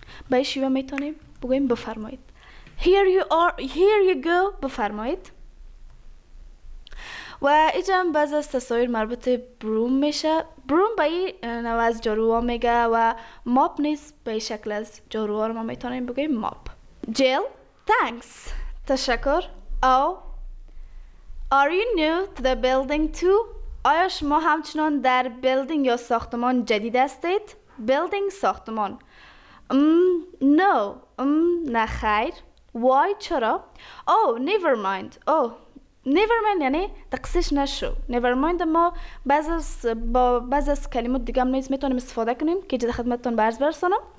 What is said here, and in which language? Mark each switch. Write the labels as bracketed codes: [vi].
[fa] به شیوه میتونیم بگویم بفرمایید، [en] here you go [fa] بفرمایید. و اینجا هم بعض از تصاویر مربوط بروم میشه. بروم به این نوع از جاروها میگه، و ماب نیست، به این شکل از جاروها رو ما میتونیم بگویم ماب. [en] Jill, thanks. [fa] تشکر. [en] Oh, are you new to the building too? [fa] آیا شما همچنان در building یا ساختمان جدید هستید؟ Building ساختمان. [en] No. [fa] نه خیر. [en] Why [fa] چرا؟ [en] Oh, never mind [fa] یعنی تقصیش نشو. [en] Never mind [fa] ما بعض از کلمات دیگه هم نیز میتونیم استفاده کنیم که جد خدمتتون برز برسانم.